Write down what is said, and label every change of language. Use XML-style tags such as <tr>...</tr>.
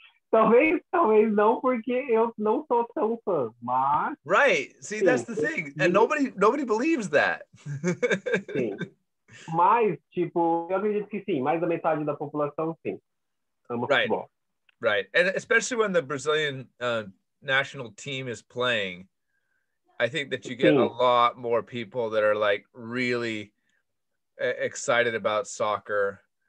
<pt>talvez não, porque eu não sou tão fã, mas...</pt> <en>Right, see, sim, that's the thing, and nobody believes that.</en> <pt>Sim, mas, tipo, eu acredito que sim, mais da metade da população, sim.</pt> <en>Right, and especially when the Brazilian national team is playing, I think that you get a lot more people that are, like, really excited about soccer.</en>